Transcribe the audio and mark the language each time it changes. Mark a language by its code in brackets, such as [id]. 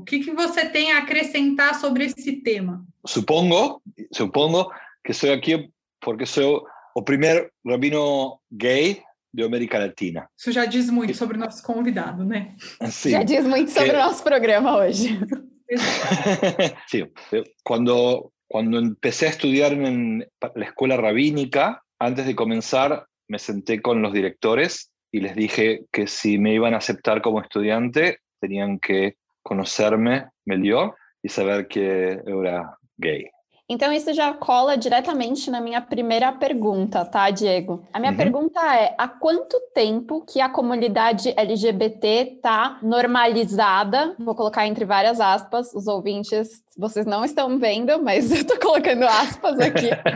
[pt] O que você tem a acrescentar sobre esse tema? [es] Supongo [pt] que sou aqui porque sou o primeiro rabino gay da América Latina. Isso já diz muito sobre o nosso convidado, né? Sim. Já diz muito sobre o nosso programa hoje. Sim. [es] Quando empecé a estudiar en la escuela rabínica, antes de comenzar, me senté con los directores y les dije que si me iban a aceptar como estudiante, tenían que conocerme mejor y saber que era gay. [pt] Então, isso já cola diretamente na minha primeira pergunta, tá, Diego? A minha pergunta é, há quanto tempo que a comunidade LGBT está normalizada? Vou colocar entre várias aspas, os ouvintes, vocês não estão vendo, mas eu estou colocando aspas aqui.